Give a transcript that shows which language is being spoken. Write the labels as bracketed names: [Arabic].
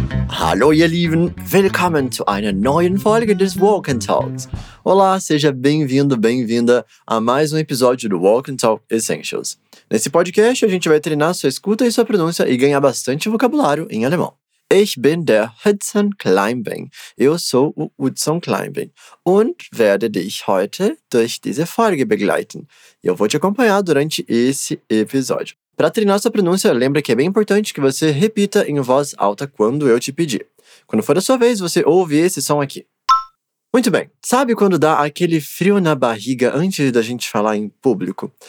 [German] Hallo ihr Lieben, willkommen zu einer neuen Folge des Walk and Talks. [Portuguese] Olá, seja bem-vindo, bem-vinda a mais um episódio do Walk and Talk Essentials. Nesse podcast, a gente vai treinar sua escuta e sua pronúncia e ganhar bastante vocabulário em alemão. [German] Ich bin der Hudson Kleinbein. [Portuguese] Eu sou o Hudson Kleinbein [German] und werde dich heute durch diese Folge begleiten. [Portuguese] Eu vou te acompanhar durante esse episódio. Para treinar sua pronúncia, lembra que é bem importante que você repita em voz alta quando eu te pedir. Quando for a sua vez, você ouve esse som aqui. Muito bem, sabe quando dá aquele frio na barriga antes da gente falar em público?